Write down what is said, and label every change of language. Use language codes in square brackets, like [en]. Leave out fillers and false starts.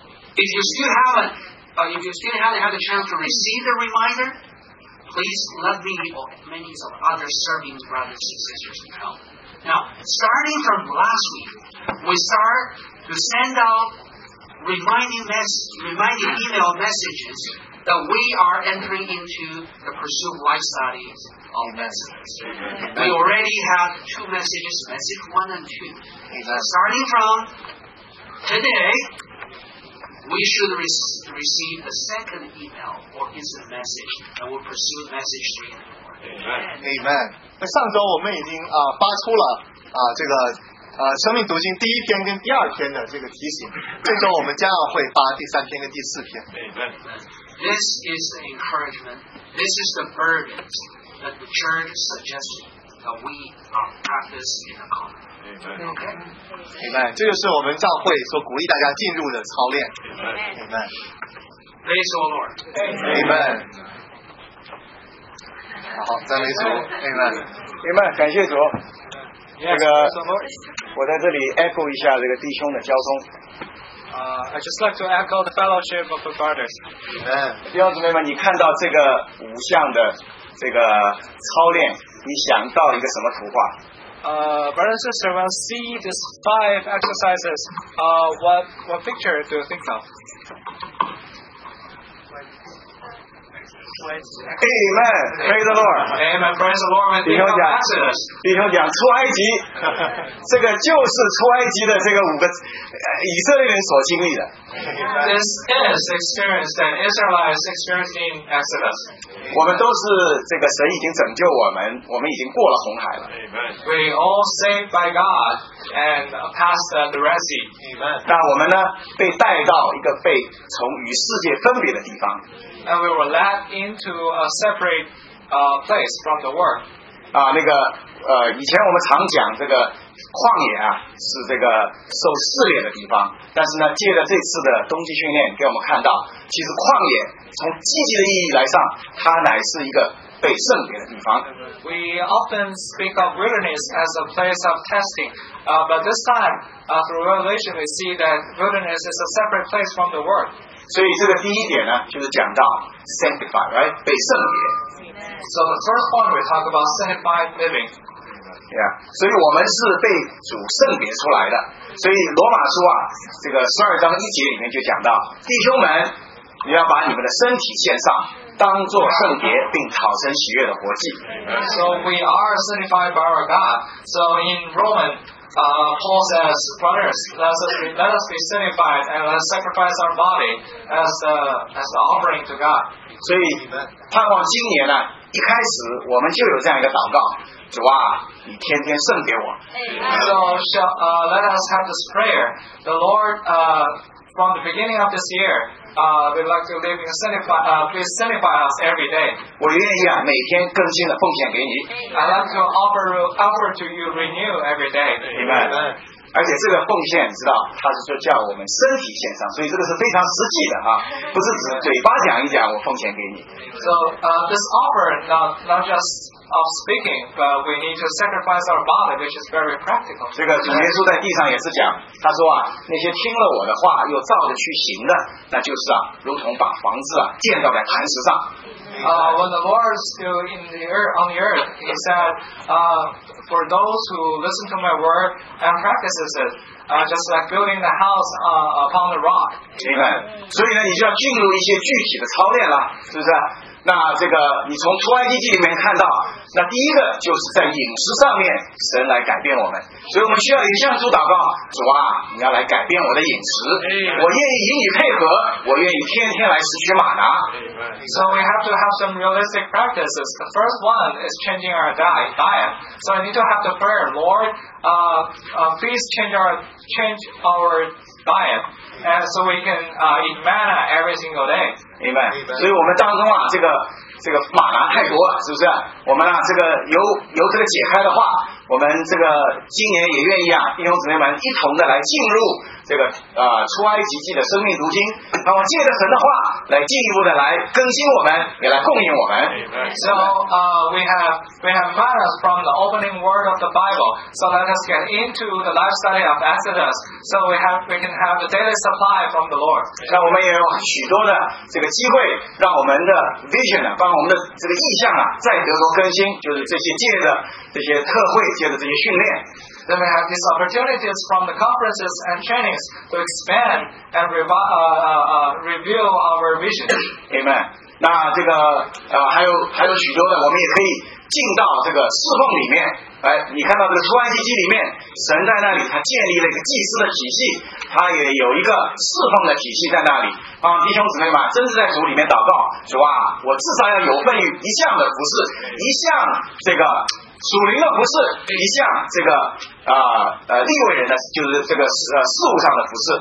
[en] If you still haven't, if you still haven't had the chance to receive the reminder, please let me or many of other serving brothers and sisters help. Now, starting from last week, we start to send out. Reminding email messages that we are entering into the pursuit of life studies of messages. We already have two messages, message one and two. Starting from today, we should receive the second email or instant message that will pursue message three and four. Amen. [zh] 那上周我们已经发出了这个。生命读经第一篇跟第二篇的这个提醒，这周我们将要会发第三篇跟第四篇。 [en] This is the encouragement. This is the burden that the church suggests that we practice in the common. Okay. Amen. [zh] 这就是我们教会所鼓励大家进入的操练。 [en] Amen. Praise the Lord. [zh] Amen. 好，赞美主。Amen. Amen. 感谢主。那个，我在这里 echo 一下这个弟兄的交通。 [en] I just like to echo the fellowship of the brothers. [zh] 弟兄姊妹们，你看到这个五项的这个操练，你想到一个什么图画？ [en] Brothers and sisters, when you see these five exercises, what picture do you think of? Amen. Praise the Lord. Amen. Praise the Lord. [zh] 弟兄讲，弟兄讲，出埃及，这个就是出埃及的这个五个以色列人所经历的。 [en] This is experience that Israelites experienced in Exodus. [zh] 我们都是这个神已经拯救我们，我们已经过了红海了。 [en] Amen. We all saved by God and passed the Red Sea. Amen. [zh] 那我们呢，被带到一个被从与世界分别的地方。 [en] And we were led into a separate place from the world. [zh] 那个以前我们常讲这个旷野啊，是这个受试炼的地方。但是呢，借着这次的冬季训练，给我们看到，其实旷野从积极的意义来上，它乃是一个被圣洁的地方。 [en] We often speak of wilderness as a place of testing, but this time, through Revelation, we see that wilderness is a separate place from the world. [zh] 所以这个第一点呢，就是讲到 [en] sanctify, right? [zh] 被圣洁。 [en] So the first point we talk about sanctified living. Yeah. [zh] 所以我们是被主圣洁出来的。所以罗马书啊，这个十二章一节里面就讲到，弟兄们，你要把你们的身体献上，当作圣洁，并讨神喜悦的活祭。 [en] So we are sanctified by our God. So in Roman. Paul says, brothers, let us be sanctified and let us sacrifice our body as the offering to God. [zh] 所以盼望今年呢，一开始我们就有这样一个祷告，主啊，你天天圣给我。 [en] So let us have this prayer. The Lord, from the beginning of this year, we'd like to live in sanctify, please sanctify us every day. [zh] 我愿意啊，每天更新的奉献给你。 [en] I'd like to offer to you renew every day. Amen. [zh] 而且这个奉献知道他是说叫我们身体献上，所以这个是非常实际的啊，不是只嘴巴讲一讲我奉献给你。 [en] So this offer not justOf speaking, but we need to sacrifice our body, which is very practical. [zh] 这个主耶稣在地上也是讲，他说啊，那些听了我的话又照着去行的，那就是啊，如同把房子啊建造在磐石上。 [en] When the Lord is still in the earth, on the earth, he said, for those who listen to my word and practices it, just like building the house upon the rock. [zh] 明白。所以呢，你就要进入一些具体的操练了，是不是？那这个你从出埃及记里面看到，那第一个就是在饮食上面神来改变我们，所以我们需要也向主祷告，主啊，你要来改变我的饮食，我愿意与你配合，我愿意天天来拾取玛拿。 [en] So we have to have some realistic practices. The first one is changing our diet. So I need to have the prayer, Lord, please change our diet, and so we can eat manna every single day. [zh] 明白，所以我们当中啊，这个玛拿太多了，是不是？我们啊，这个由这个解开的话，我们这个今年也愿意啊，弟兄姊妹们一同的来进入这个出埃及记的生命读经，然后借着神的话来进一步的来更新我们，也来供应我们。 [en] So we have manna from the opening word of the Bible. So let us get into the life study of Exodus. So we can have the daily supply from the Lord. [zh] 那我们也有许多的这个机会，让我们的 vision 啊，帮我们的这个意向啊，再得到更新，就是这些借的这些特会，借的这些训练。 [en] Then we have these opportunities from the conferences and trainings to expand and review our vision. Amen. [zh] 那这个还有许多的，我们也可以进到这个侍奉里面。哎，你看到这个出埃及记里面，神在那里他建立了一个祭司的体系，他也有一个侍奉的体系在那里。啊，弟兄姊妹们，真是在主里面祷告，主啊，我至少要有份于一项的服事，一项这个属灵的服事，一项这个立位人的，就是这个事务上的服事。